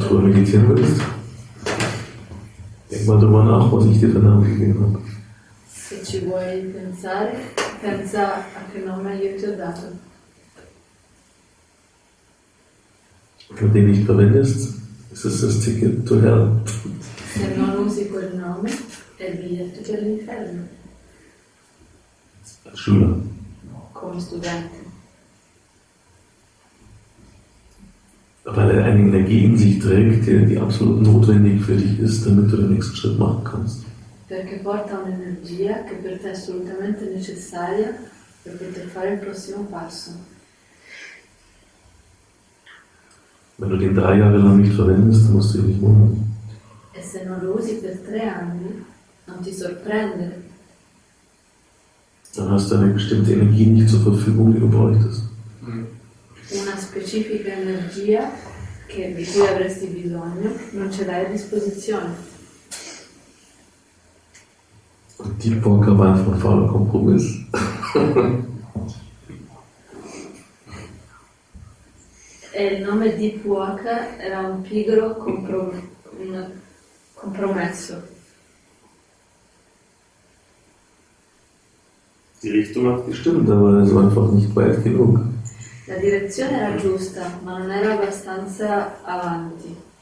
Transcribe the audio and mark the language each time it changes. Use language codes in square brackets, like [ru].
[de] Wenn du früher meditieren willst, denk mal drüber nach, was ich dir für Namen gegeben habe. [it] Se ci vuoi pensare, pensa a che nome io ti ho dato. [de] Wenn du den nicht verwendest, ist es das [en] Ticket to hell. [it] Se non usi quel nome, è il biglietto per l'inferno. [de] Als Schüler. [it] Come studente. [de] Weil er eine Energie in sich trägt, die absolut notwendig für dich ist, damit du den nächsten Schritt machen kannst. [it] Perché porta un'energia che per te è assolutamente necessaria per poter fare il prossimo passo. [de] Wenn du den 3 Jahre lang nicht verwendest, musst du dich nicht wundern. [it] E se non lo usi per 3 anni, non ti sorprende. [de] Dann hast du eine bestimmte Energie nicht zur Verfügung, die du bräuchtest. [it] Una specifica energia che di cui avresti bisogno, non ce l'hai a disposizione. [de] Die Bock am Anfang voller Kompromiss. [it] Il nome Deep Walk era un pigro un compromesso. [de] Die Richtung hat gestimmt, aber es war einfach nicht weit genug. [it] La direzione era giusta, ma non era abbastanza avanti.